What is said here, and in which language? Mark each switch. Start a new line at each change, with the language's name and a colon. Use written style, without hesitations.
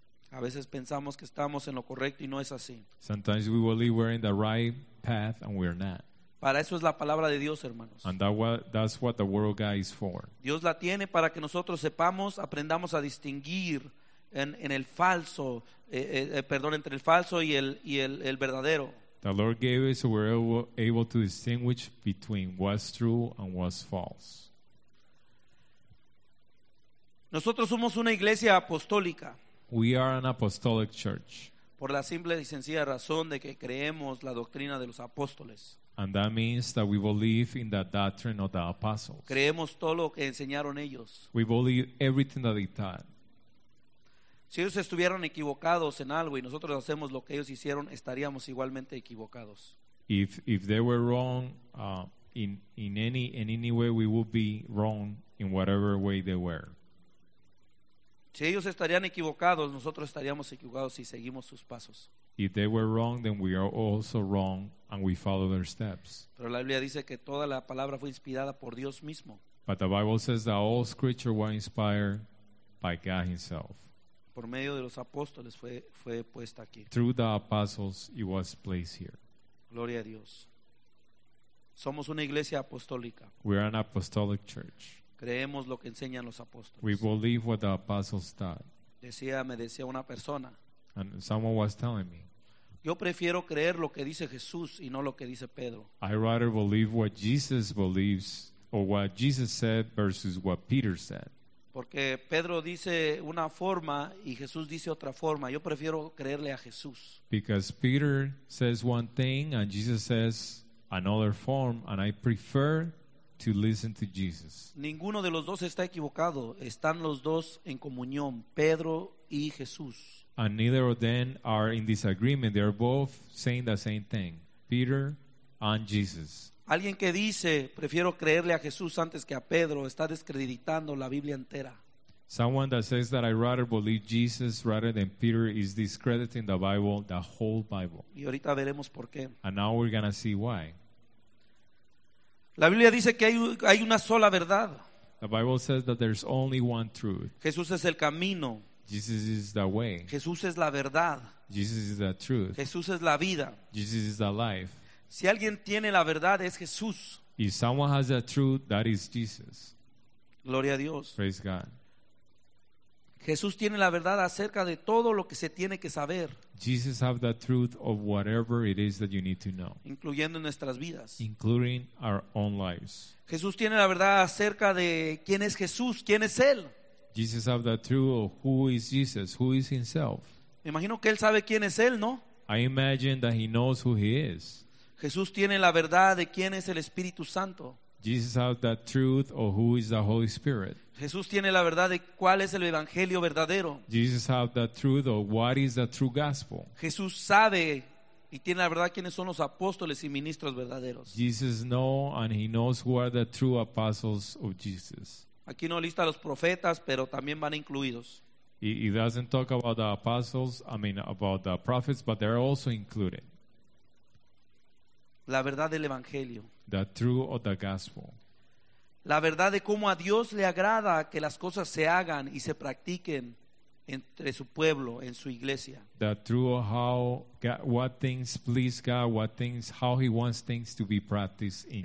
Spanish: A veces pensamos que estamos en lo correcto y no es así.
English: Sometimes we believe we're in the right path and we're not.
Spanish: Para eso es la palabra de Dios, hermanos.
English: And that's what the word of God is for.
Spanish: Dios la tiene para que nosotros sepamos, aprendamos a distinguir en el falso, perdón, entre el falso y el verdadero.
English: The Lord gave it so we're able to distinguish between what's true and what's false.
Spanish: Nosotros somos una iglesia apostólica.
English: We are an apostolic church.
Spanish: Por la simple y sencilla razón de que creemos la doctrina de los apóstoles.
English: And that means that we believe in the doctrine of the apostles.
Spanish: Creemos todo lo que enseñaron ellos.
English: We believe everything that they taught.
Spanish: Si ellos estuvieran equivocados en algo y nosotros hacemos lo que ellos hicieron, estaríamos igualmente equivocados.
English: If they were wrong, in any way we would be wrong in whatever way they were.
Spanish: Si ellos estarían equivocados, nosotros estaríamos equivocados si seguimos sus pasos.
English: If they were wrong, then we are also wrong and we follow their steps.
Spanish: Pero la Biblia dice que toda la palabra fue inspirada por Dios mismo.
English: But the Bible says that all scripture was inspired by God himself.
Spanish: Por medio de los apóstoles fue puesta aquí.
English: Through the apostles, it was placed here.
Spanish: Gloria a Dios. Somos una iglesia apostólica.
English: We are an apostolic church.
Spanish: Creemos lo que enseñan los apóstoles.
English: We believe what the apostles taught.
Spanish: Me decía una persona.
English: And someone was telling me.
Spanish: Yo prefiero creer lo que dice Jesús y no lo que dice Pedro.
English: I rather believe what Jesus believes or what Jesus said versus what Peter said.
Spanish: Porque Pedro dice una forma y Jesús dice otra forma. Yo prefiero creerle a Jesús.
English: Because Peter says one thing and Jesus says another form, and I prefer to listen to Jesus.
Spanish: Ninguno de los dos está equivocado. Están los dos en comunión, Pedro y Jesús.
English: And neither of them are in disagreement. They are both saying the same thing, Peter and Jesus.
Spanish: Alguien que dice, prefiero creerle a Jesús antes que a Pedro, está descreditando la Biblia entera.
English: Someone that says that I rather believe Jesus rather than Peter is discrediting the Bible, the whole Bible.
Spanish: Y ahorita veremos por qué.
English: And now we're going to see why.
Spanish: La Biblia dice que hay una sola verdad.
English: The Bible says that there's only one truth.
Spanish: Jesús es el camino.
English: Jesus is the way.
Spanish: Jesús es la verdad.
English: Jesus is the truth.
Spanish: Jesús es la vida.
English: Jesus is the life.
Spanish: Si alguien tiene la verdad, es Jesús.
English: If someone has the truth, that is Jesus.
Spanish: Gloria a Dios.
English: Praise God.
Spanish: Jesús tiene la verdad acerca de todo lo que se tiene que saber.
English: Jesus have the truth of whatever it is that you need to know.
Spanish: Incluyendo nuestras vidas.
English: Including our own lives.
Spanish: Jesús tiene la verdad acerca de quién es Jesús, quién es Él.
English: Jesus have the truth of who is Jesus, who is himself.
Spanish: Me imagino que Él sabe quién es Él, ¿no?
English: I imagine that he knows who he is.
Spanish: Jesús tiene la verdad de quién es el Espíritu Santo.
English: Jesus has the truth of who is the Holy Spirit.
Spanish: Jesús tiene la verdad de cuál es el evangelio verdadero.
English: Jesus has the truth of what is the true gospel.
Spanish: Jesús sabe y tiene la verdad quiénes son los apóstoles y ministros verdaderos.
English: Jesus knows and he knows who are the true apostles of Jesus.
Spanish: Aquí no lista los profetas, pero también van incluidos.
English: He doesn't talk about the apostles, about the prophets, but they're also included.
Spanish: La verdad del evangelio.
English: The truth of the gospel.
Spanish: La verdad de cómo a Dios le agrada que las cosas se hagan y se practiquen entre su pueblo, en su iglesia.
English: The truth of how God, what things please God, how he wants things to be practiced in